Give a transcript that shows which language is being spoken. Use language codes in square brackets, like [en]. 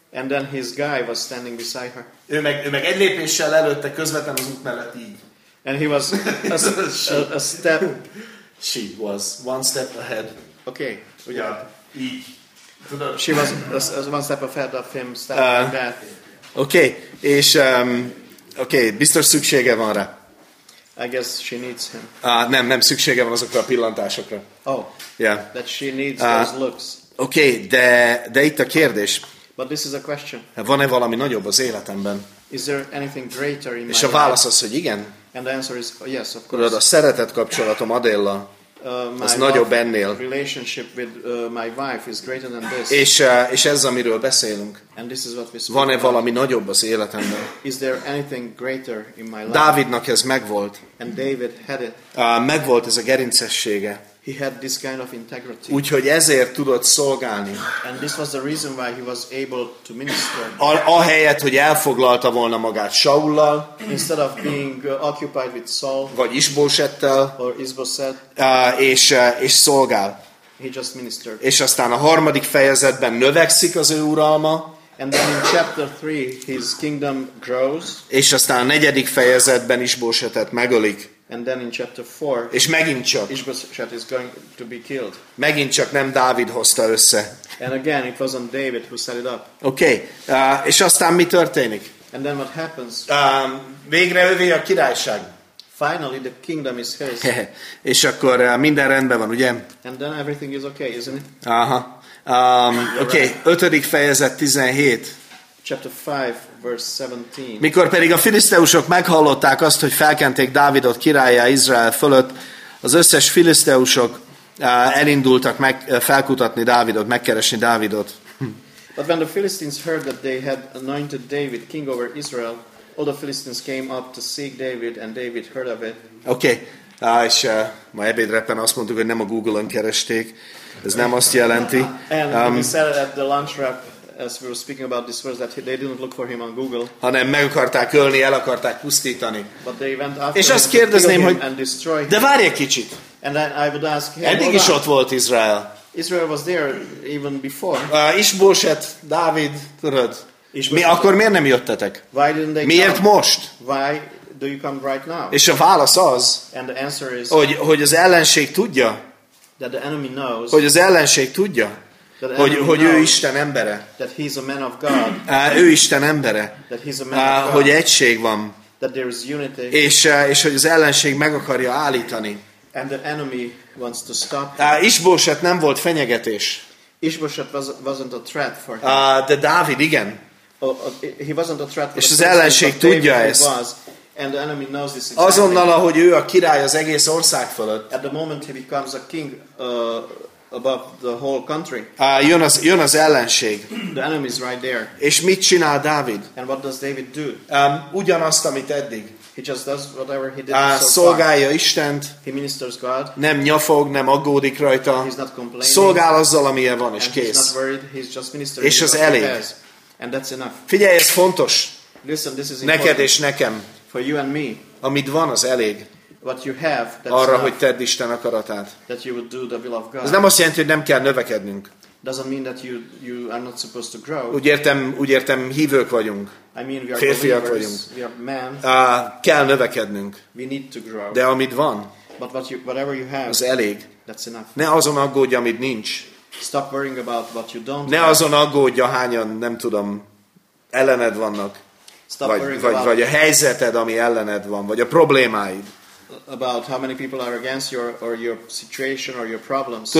[en] And then his guy was standing beside her. [hu] Ő meg egy lépéssel előtte, közvetlen az út mellett így. [en] And he was a step. She was one step ahead. Okay. [hu] Yeah. Így. Tudod. [en] She was one step ahead of him, standing like that. [hu] Oké, okay. És okay. Biztos szüksége van rá. [en] I guess she needs him. [hu] Nem szüksége van azokra a pillantásokra. [en] Oh, yeah. That she needs those looks. [hu] Okay, de itt a kérdés. [en] But this is a question. [hu] Van-e valami nagyobb az életemben? [en] Is there anything greater in [hu] és a válasz az, hogy igen. [en] And the answer is yes, of course. [hu] A szeretet kapcsolatom Adéllal. az nagyobb ennél. [en] Relationship with my wife is greater than this. [hu] És ez, amiről beszélünk. [en] And this is what we speak. [hu] Van-e valami nagyobb az életemben? [en] Is there anything greater in my life? [hu] Dávidnak ez megvolt. [en] And David had it. [hu] Megvolt ez a gerincessége. [en] He had this kind of integrity. [hu] Úgyhogy ezért tudott szolgálni. [en] And this was the reason why he was able to minister. [hu] Ahelyett, hogy elfoglalta volna magát Saullal, [en] instead of being occupied with Saul, [hu] vagy Isbosettel, [en] or Isboset, [hu] és szolgál. [en] He just ministered. [hu] És aztán a harmadik fejezetben növekszik az ő uralma. [en] And then in chapter 3 his kingdom grows. [hu] És aztán a negyedik fejezetben Isbosetet megölik. [en] And then in chapter 4, [hu] és megint csak [en] Isboset is going to be killed. [hu] Megint csak nem Dávid hozta össze. [en] And again it wasn't David who set it up. [hu] Okay. És aztán mi történik? [en] And then what happens? [hu] Végre övé a királyság. [en] Finally the kingdom is his. [hu] És akkor minden rendben van, ugye? [en] And then everything is okay, isn't it? Aha. Okay. Right. [hu] 5. fejezet 17. [en] Chapter 5. Verse 17. [hu] Mikor pedig a filiszteusok meghallották azt, hogy felkenték Dávidot királlyá Izrael fölött, az összes filiszteusok elindultak felkutatni Dávidot, megkeresni Dávidot. [en] But when the Philistines heard that they had anointed David king over Israel, all the Philistines came up to seek David, and David heard of it. Okay. [hu] És ma ebédrepen azt mondtuk, hogy nem a Google-on keresték. Ez nem azt jelenti. [en] And we said it at the lunch wrap. As we were speaking about this verse, that they didn't look for him on Google. [hu] Hanem meg akarták ölni, el akarták pusztítani. [en] But they went after. [hu] És azt kérdezném, hogy de várj egy kicsit. [en] And then I would ask him. [hu] Eddig is ott volt Izrael. [en] Israel was there even before. [hu] Isboset, Dávid, tudod. Mi akkor miért nem jöttetek? [en] Why didn't they? [hu] Miért [en] come? [hu] Most? [en] Why do you come right now? [hu] És a válasz az. [en] And the answer is. [hu] Hogy az ellenség tudja. [en] That the enemy knows. [hu] Hogy az ellenség tudja. Hogy ő Isten embere. [en] That he's a man of God. [hu] Ő Isten embere. [en] That he's a man of God. [hu] Hogy egység van. [en] That there is unity. [hu] És hogy az ellenség meg akarja állítani. [en] And the enemy wants to stop. [hu] Isboset nem volt fenyegetés. [en] Isboset wasn't a threat for him. [hu] De Dávid igen. [en] He wasn't a threat for [hu] és az ellenség [en] David, [hu] tudja ezt. [en] And the enemy knows this exactly. [hu] Azonnal, ahogy ő a király az egész ország fölött. [en] At the moment he becomes a king above the whole country. [hu] Jön az ellenség. [en] The enemy is right there. [hu] És mit csinál Dávid? [en] And what does David do? [hu] Ugyanazt, amit eddig. [en] He just does whatever he did [hu] so szolgálja Istent. [en] He ministers God. [hu] Nem nyafog, nem aggódik rajta. [en] He's not complaining. [hu] Szolgál azzal, amilyen van, és [en] and [hu] kész. [en] He's not worried, he's just ministering. [hu] És az elég. [en] And that's enough. [hu] Figyelj, ez fontos. [en] Listen, this is important. [hu] Neked és nekem. [en] For you and me. [hu] Amit van, az elég. [en] What you have, that's [hu] arra, hogy tedd Isten akaratát. [en] That you would do the will of God. [hu] Ez nem azt jelenti, hogy nem kell növekednünk. [en] Doesn't mean that you are not supposed to grow. [hu] Úgy értem, hívők vagyunk. [en] I mean, we are [hu] férfiak [en] believers. [hu] Vagyunk. [en] We are men. [hu] Kell növekednünk. [en] We need to grow. [hu] De amit van, [en] but what whatever you have, [hu] az elég. [en] That's enough. [hu] Ne azon aggódj, amit nincs. [en] Stop worrying about what you don't [hu] ne azon aggódj, hányan, nem tudom, ellened vannak. [en] Stop [hu] vagy a helyzeted, ami ellened van, vagy a problémáid. [en] About how many people are against you or your situation or your problems.